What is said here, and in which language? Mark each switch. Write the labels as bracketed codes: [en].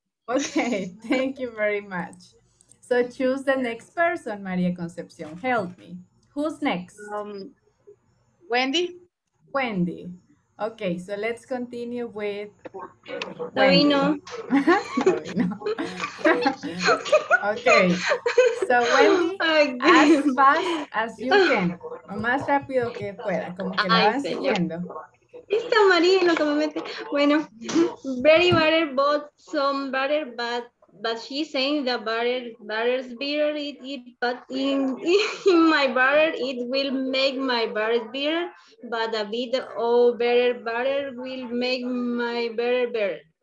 [en] Okay, thank you very much. So choose the next person, Maria Concepcion. Help me. Who's next? Wendy. Wendy. Okay, so let's continue with... Sabino. Okay, so Wendy, as fast as you can. [es] O más rápido que pueda, como que lo van siguiendo. Está María en lo que me mete. [en] Bueno, Betty Butter bought some butter, but she saying the butter's bitter, but in my butter, it will make my butter bitter, but a bit of better butter will make my butter better.